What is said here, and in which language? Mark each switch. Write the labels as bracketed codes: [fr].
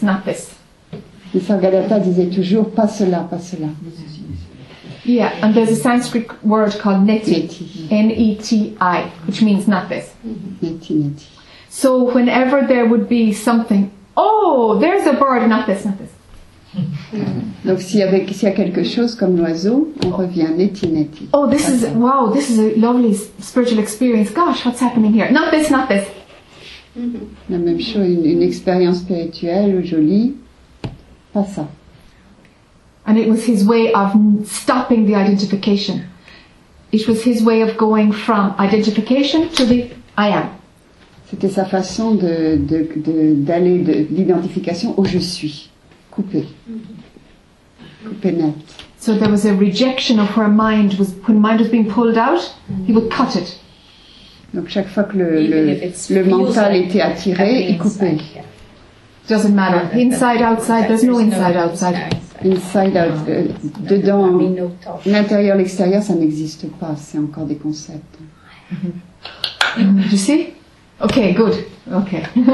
[fr] Nisargadatta disait toujours, pas cela, pas cela. [en] Yeah, and there's a Sanskrit word called neti, N-E-T-I, which means not this. [sa] Neti. [en] So whenever there would be something, oh, there's a bird, not this. [fr] Donc s'il y a quelque chose comme l'oiseau, on revient neti. [en] Oh, this is a lovely spiritual experience. Gosh, what's happening here? Not this. [fr] La même chose, une expérience spirituelle jolie, pas ça. [en] And it was his way of stopping the identification. It was his way of going from identification to the I am. [fr] C'était sa façon d'aller de l'identification au je suis. Coupé net. [en] So there was a rejection of where mind was, when mind was being pulled out, he would cut it. [fr] Donc chaque fois que le mental était attiré, il coupait. [en] Inside, yeah. Doesn't matter. Inside, outside, there's no inside, outside. Inside, out, [fr] dedans, l'intérieur, l'extérieur, ça n'existe pas. C'est encore des concepts. [en] Mm-hmm. You see? Okay, good. Okay.